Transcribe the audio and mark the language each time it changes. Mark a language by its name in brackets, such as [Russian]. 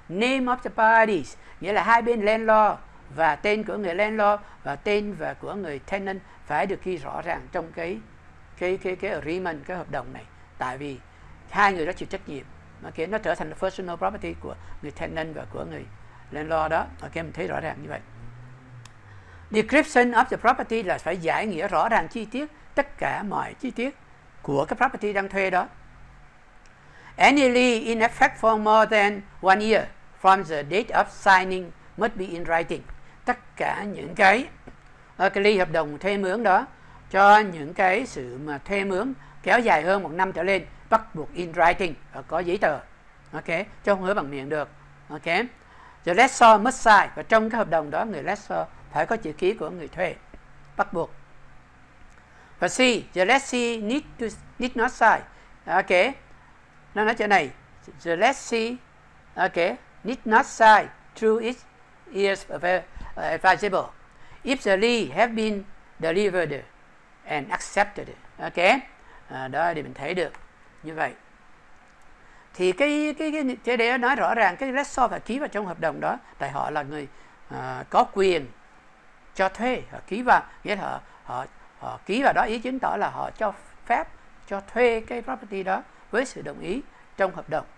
[English] Name of the parties [Vietnamese] nghĩa là hai bên landlord và tên của người landlord và tên và của người tenant phải được ghi rõ ràng trong cái agreement, cái hợp đồng này, tại vì hai người đó chịu trách nhiệm, ok nó trở thành là personal property của người tenant và của người landlord đó, ok mình thấy rõ ràng như vậy. [English] Description of the property [Vietnamese] là phải giải nghĩa rõ ràng chi tiết tất cả mọi chi tiết của cái property đang thuê đó. [English] Any lease in effect for more than one year from the date of signing must be in writing. [Vietnamese] Tất cả những cái ly hợp đồng thuê mướn đó, cho những cái sự mà thuê mướn kéo dài hơn 1 năm trở lên bắt buộc in writing, có giấy tờ. Ok, chứ không hứa bằng miệng được. Ok, [English] the lessor must sign, [Vietnamese] và trong cái hợp đồng đó người lessor phải có chữ ký của người thuê bắt buộc. [English] Và C, the lessee need not sign. Ok, [Vietnamese] nó nói chỗ này, [English] the lessee, ok, need not sign through its ears advisable if the lease have been delivered and accepted. [Vietnamese] Ok, đó thì mình thấy được như vậy. Thì cái để nói rõ ràng cái lessor phải ký vào trong hợp đồng đó, tại họ là người có quyền cho thuê, họ ký vào, nghĩa là họ ký vào đó, ý chứng tỏ là họ cho phép cho thuê cái property đó với sự đồng ý trong hợp đồng.